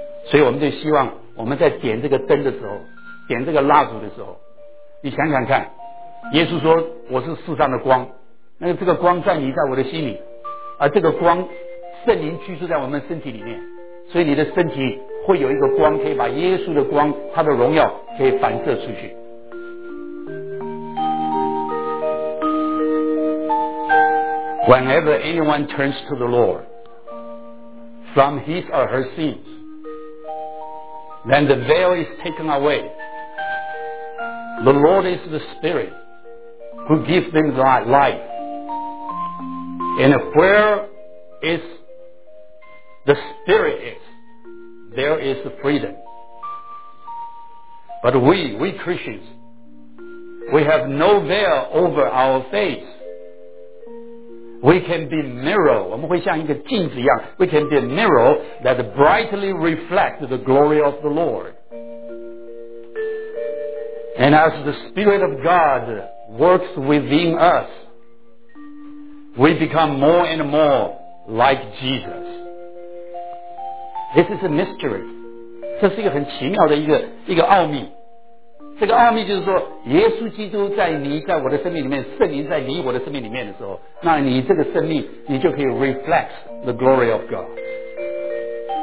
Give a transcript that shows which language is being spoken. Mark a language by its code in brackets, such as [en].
[zh] 所以我们就希望我们在点这个灯的时候，点这个蜡烛的时候，你想想看，耶稣说我是世上的光，那这个光在你，在我的心里，而这个光圣灵居住在我们身体里面，所以你的身体会有一个光，可以把耶稣的光，他的荣耀可以反射出去。 [en] Whenever anyone turns to the Lord from his or her sins, then the veil is taken away. The Lord is the Spirit who gives them life. And where is the Spirit is, there is freedom. But we Christians, we have no veil over our face. We can be mirror, [zh] 我们会像一个镜子一样， [en] We can be a mirror that brightly reflects the glory of the Lord. And as the Spirit of God works within us, we become more and more like Jesus. This is a mystery. [zh] 这是一个很奇妙的一个奥秘。这个奥秘就是说，耶稣基督在你在我的生命里面，圣灵在你我的生命里面的时候，那你这个生命你就可以 [en] reflect the glory of God。